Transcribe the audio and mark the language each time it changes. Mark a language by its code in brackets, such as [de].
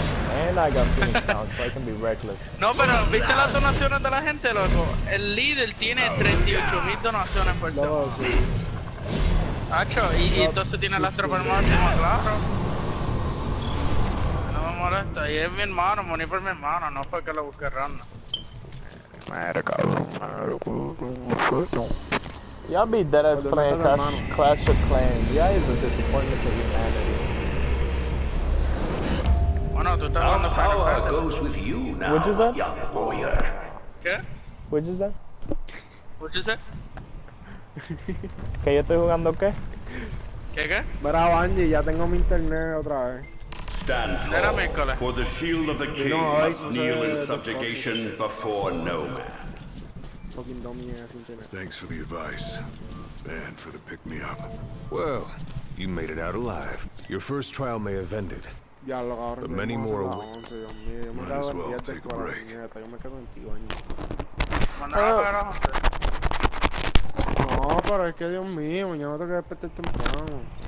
[en] And I got Phoenix now, so I can be reckless. [es] No, pero viste las donaciones de la gente, loco. El líder tiene 38,000 donaciones por semana. Loco, sí. Acho, y entonces tiene el astro por máximo, claro. No me molesta, y es mi hermano, morí por mi hermano, no fue que lo busque random. [en] Y'all be dead as playing Clash of Clans. Y'all is a disappointment to humanity. [es] Bueno, tú estás hablando [en] Final Fantasy. Power goes with you now, which is that? Young warrior. [es] ¿Qué? [en] Which is that? Which is that? [es] ¿Qué yo estoy jugando qué? ¿Qué qué? Bravo, Angie, ya tengo mi internet otra vez. [en] Stand tall, for the shield of the king must kneel in subjugation before no man. Thanks for the advice, and for the pick-me-up. Well, you made it out alive. Your first trial may have ended, but many more awaits. Might as well take a break. [es] No, pero es que Dios mío, mañana tengo que despertar temprano.